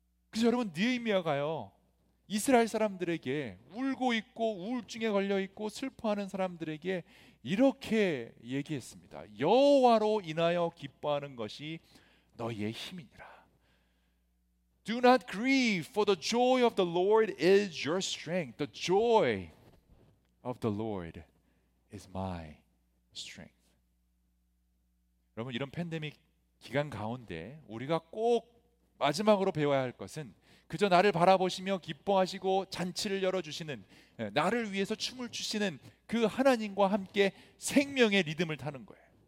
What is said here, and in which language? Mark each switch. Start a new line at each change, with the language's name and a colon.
Korean: 그래서 여러분, 느헤미야가요, 이스라엘 사람들에게, 울고 있고 우울증에 걸려 있고 슬퍼하는 사람들에게 이렇게 얘기했습니다. 여호와로 인하여 기뻐하는 것이 너희의 힘이니라.
English: Do not grieve, for the joy of the Lord is your strength. The joy of the Lord is my strength.
Korean: 여러분, 이런 팬데믹 기간 가운데 우리가 꼭 마지막으로 배워야 할 것은 그저 나를 바라보시며 기뻐하시고 잔치를 열어주시는, 나를 위해서 춤을 추시는 그 하나님과 함께 생명의 리듬을 타는 거예요.